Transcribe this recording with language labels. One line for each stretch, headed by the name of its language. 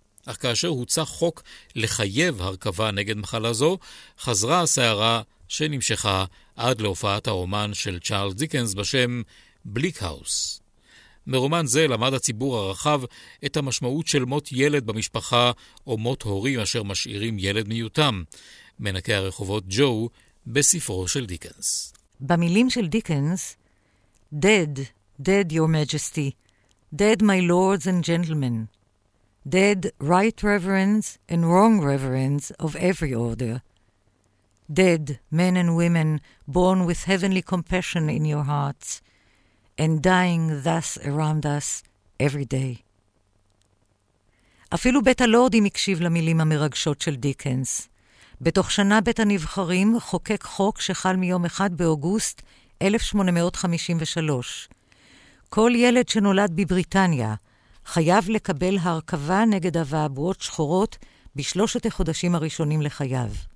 Hebrew: אך כאשר הוצע חוק לחייב הרכבה נגד מחלה זו, חזרה הסערה שנמשכה עד להופעת הרומן של צ'רלס דיקנס בשם בליק האוס. מרומן זה למד הציבור הרחב את המשמעות של מות ילד במשפחה או מות הורים אשר משאירים ילד מיותם, מנקי הרחובות ג'ו בספרו של דיקנס. במילים של דיקנס,
English: Dead, dead your majesty, dead my lords and gentlemen, dead right reverends and wrong reverends of every order, dead men and women born with heavenly compassion in your hearts, and dying thus around us every day.
Hebrew: אפילו בית הלורדים הקשיב למילים המרגשות של דיקנס. בתוך שנה בית הנבחרים חוקק חוק שחל מיום 1 באוגוסט 1853. כל ילד שנולד בבריטניה חייב לקבל הרכבה נגד אבעבועות שחורות בשלושת החודשים הראשונים לחייו.